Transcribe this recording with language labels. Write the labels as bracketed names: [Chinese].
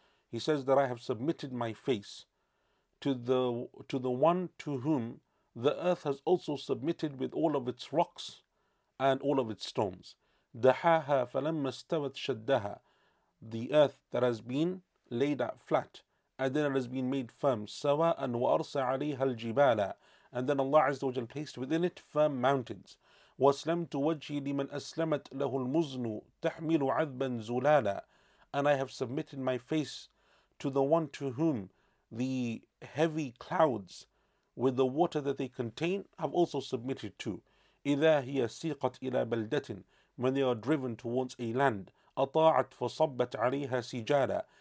[English] He says that I have submitted my face to the one to whom the earth has also submitted with all of its rocks and all of its stones. [Arabic] دحاها فلما استوت شدها. [English] The earth that has been laid out flat, and then it has been made firm. [Arabic] سواء وأرسى عليها الجبال. [English] And then Allah Azza wa Jal placed within it firm mountains. [Arabic] وأسلمت وجهي لمن أسلمت له المزن تحمل عذبا زلالا. [English] And I have submitted my face to the one to whom the heavy clouds with the water that they contain have also submitted to. [Arabic] إذا هي سيقت إلى بلدة. [English] When they are driven towards a land, [Arabic] أطاعت فصبت عليها سجالا.